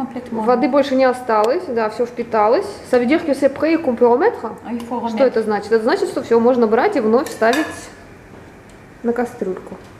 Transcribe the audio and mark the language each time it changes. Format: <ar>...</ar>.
<ru>Воды больше не осталось, да, все впиталось.</ru> <fr>Ça veut dire que c'est prêt et qu'on peut remettre?</fr> <ru>Что это значит? Это значит, что все можно брать и вновь ставить на кастрюльку.</ru>